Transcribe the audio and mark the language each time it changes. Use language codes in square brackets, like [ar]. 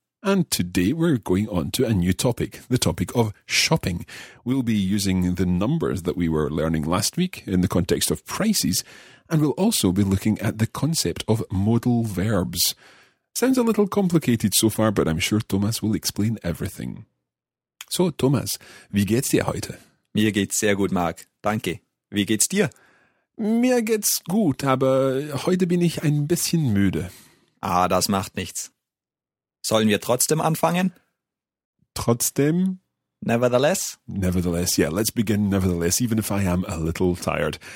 [en] And today we're going on to a new topic, the topic of shopping. We'll be using the numbers that we were learning last week in the context of prices, and we'll also be looking at the concept of modal verbs. Sounds a little complicated so far, but I'm sure Thomas will explain everything. [de] So, Thomas, wie geht's dir heute? Mir geht's sehr gut, Mark. Danke. Wie geht's dir? Mir geht's gut, aber heute bin ich ein bisschen müde. Ah, das macht nichts. Sollen wir trotzdem anfangen? Trotzdem? [en] Nevertheless? Nevertheless, yeah, let's begin nevertheless, even if I am a little tired.